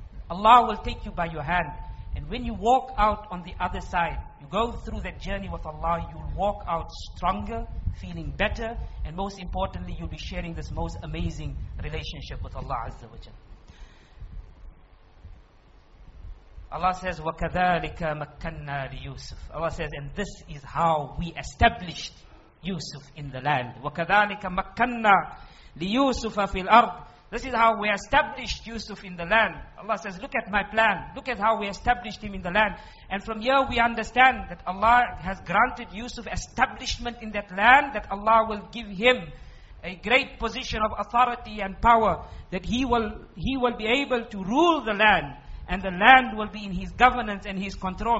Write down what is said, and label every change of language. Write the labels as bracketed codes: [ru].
[en] Allah will take you by your hand, and when you walk out on the other side, you go through that journey with Allah, you'll walk out stronger, feeling better, and most importantly, you'll be sharing this most amazing relationship with Allah Azza wa Jalla. [ar] Allah says, وَكَذَلِكَ مَكَّنَّا لِيُوسُفِ. [en] Allah says, and this is how we established Yusuf in the land. وَكَذَلِكَ مَكَّنَّا لِيُوسُفَ فِي الْأَرْضِ. This is how we established Yusuf in the land. Allah says, look at my plan. Look at how we established him in the land. And from here we understand that Allah has granted Yusuf establishment in that land, that Allah will give him a great position of authority and power, that he will be able to rule the land, and the land will be in his governance and his control.